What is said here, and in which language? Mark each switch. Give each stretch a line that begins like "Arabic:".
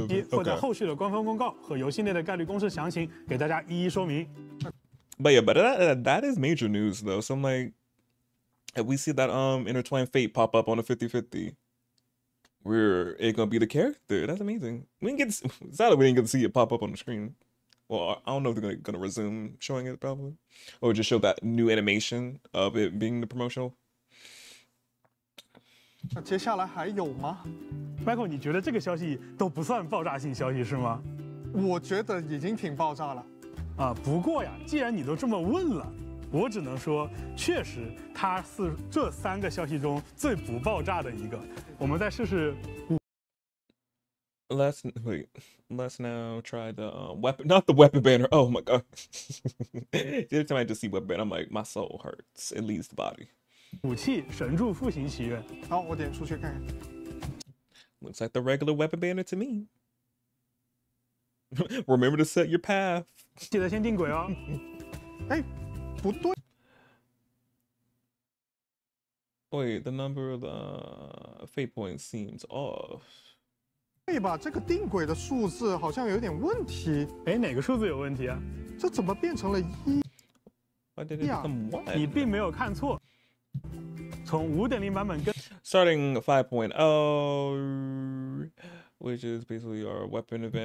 Chinese: 或者后续的官方公告和游戏内的概率公式详情给大家一一说明。
English: But yeah, but that is major news though. So I'm like, if we see that intertwined fate pop up on a 50-50, we're it gonna be the character? That's amazing. We didn't get sadly we didn't get to see it pop up on the screen. Well, I don't know if they're going to resume showing it, probably. Or just show that new animation of it being the promotional.
Chinese: 那接下来还有吗？Michael， 你觉得这个消息都不算爆炸性消息是吗？我觉得已经挺爆炸了。啊，不过呀，既然你都这么问了，我只能说，确实它是这三个消息中最不爆炸的一个。我们再试试。
English: Let's now try the weapon, not the weapon banner. Oh my god. Every time I just see weapon banner, I'm like, my soul hurts. It leaves the body.
Chinese: 武器神助复行祈愿。好，我点出去看。
English: Looks like the regular weapon banner to me. Remember to set your path.
Chinese: 记得先定轨哦。哎，不对。
English: Wait, the number of the fate points seems off.
Chinese: 对吧，这个定轨的数字好像有点问题。哎，哪个数字有问题啊？这怎么变成了一？呀，你并没有看错，从5.0版本跟
English: Starting 5.0 which is basically our weapon event